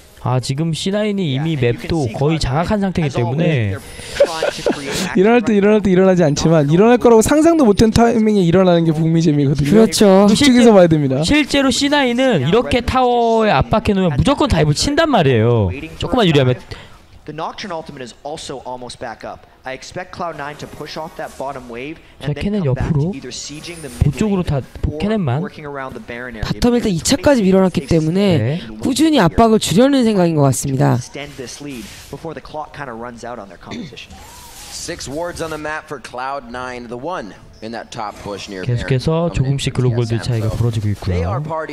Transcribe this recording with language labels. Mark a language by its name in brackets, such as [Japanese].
[Korean] 아 지금 C9이 이미 맵도 거의 장악한 상태이기 때문에 일어날 때 일어날 때 일어나지 않지만 일어날 거라고 상상도 못한 타이밍에 일어나는 게 북미잼이거든요. 그렇죠. 이쪽에서 봐야 됩니다. 실제로 C9은 이렇게 타워에 압박해놓으면 무조건 다이브 친단 말이에요. 조금만 유리하면 [English] The Nocturne Ultimate is also almost back up. I expect Cloud9 to push off that bottom wave and then come back to either sieging the mid lane or working around the Baron area. [Korean] 바텀 일단 2차까지 밀어놨기 때문에 꾸준히 압박을 주려는 생각인 것 같습니다. [English] Extend this lead before the clock kind of runs out on their composition. Six wards on the map for Cloud9, the one. [Korean] 계속해서 조금씩 글로벌드 차이가 벌어지고 있고요.